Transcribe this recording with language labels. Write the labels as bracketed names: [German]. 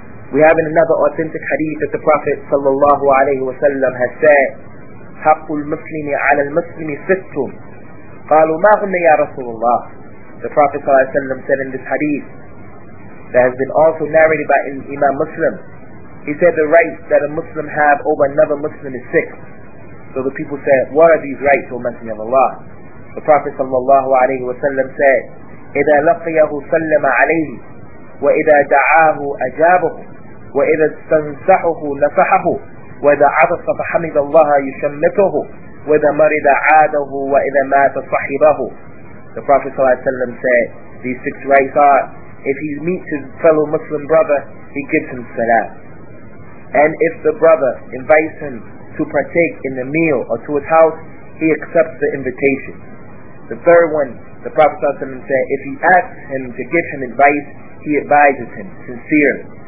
[English] We have in another authentic hadith that the Prophet sallallahu alayhi wa sallam has said, [Arabic] حق المسلم على المسلم ست قالوا ما هم يا رسول الله. [English] The Prophet sallallahu alayhi wa sallam said in this hadith that has been also narrated by Imam Muslim, he said the rights that a Muslim have over another Muslim is six. So the people said, what are these rights, O Messenger of Allah? The Prophet sallallahu alayhi wa sallam said, [Arabic] إِذَا لَقِيَهُ سَلَّمَ عَلَيْهِ وَإِذَا دَعَاهُ أَجَابَهُ وَإِذَا اسْتَنْصَحَهُ نَصَحَهُ وَإِذَا عَطَسَ فَحَمِدَ اللَّهَ يُشَمِّتُهُ وَإِذَا مَرِضَ عَادَهُ وَإِذَا مَاتَ صَحِبَهُ. [English] The Prophet sallallahu alayhi wa sallam said, these six rights are, if he meets his fellow Muslim brother, he gives him salam. And if the brother invites him to partake in the meal or to his house, he accepts the invitation. The third one, the Prophet ﷺ said, if he asks him to give him advice, he advises him sincerely.